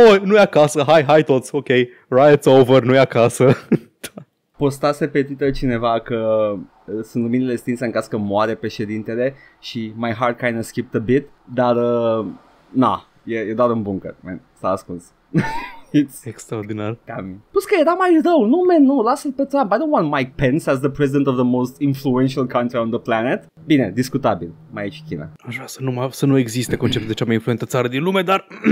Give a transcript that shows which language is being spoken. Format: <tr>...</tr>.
<ro>nu e acasă. Hai toți, ok.</ro> <en>Riot's over,</en> <ro>nu e acasă. Postase pe Twitter cineva că sunt luminile stinse în caz că moare președintele și</ro> <en>my heart kinda skipped a bit,</en> <ro>dar, e doar un bunker, man. S-a ascuns. It's extraordinar. Plus că era mai rău. Nu, man, nu, lasă-l pe Trump.</ro> <en>I don't want Mike Pence as the president of the most influential country on the planet.</en> <ro>Bine, discutabil. Mai e și China. Aș vrea să nu existe conceptul de cea mai influentă țară din lume, dar...</ro>